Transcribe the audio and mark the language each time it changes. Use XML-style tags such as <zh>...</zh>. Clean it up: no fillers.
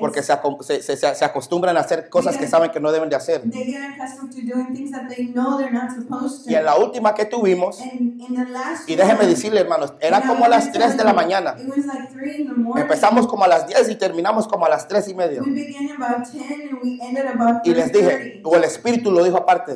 <es>Porque se acostumbran a hacer cosas because que saben que no deben de hacer.</es> <en>They get accustomed to doing things that they know they're not supposed to.</en> <es>Y en la última que tuvimos,</es> <en>and</en> <es>y déjeme decirle, hermanos, era como a las 3 de la mañana.</es> <en>It was like 3 in the morning.</en> <es>Empezamos como a las 10 y terminamos como a las 3 y media.</es> <en>We began about 10 and we ended about 3:30.</en> <es>Y les dije, o el Espíritu lo dijo aparte.</es>